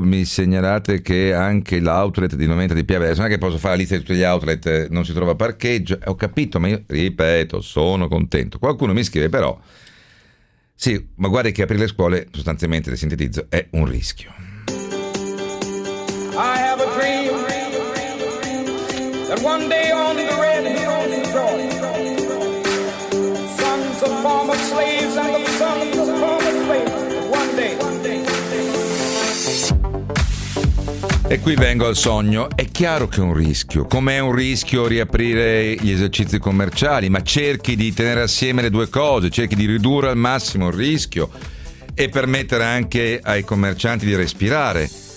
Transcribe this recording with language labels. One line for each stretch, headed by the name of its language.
Italian: Mi segnalate che anche l'outlet di Noventa di Pieve, adesso non è che posso fare la lista di tutti gli outlet, non si trova parcheggio, ho capito, ma io ripeto, sono contento. Qualcuno mi scrive però: sì, ma guarda che aprire le scuole, sostanzialmente le sintetizzo, è un rischio.
English: I have a dream that one day on the red hills of Georgia, sons of former slaves and the sons of former slaves, one day.
Italian: E qui vengo al sogno. È chiaro che è un rischio, come è un rischio riaprire gli esercizi commerciali, ma cerchi di tenere assieme le due cose, cerchi di ridurre al massimo il rischio e permettere anche ai commercianti di respirare.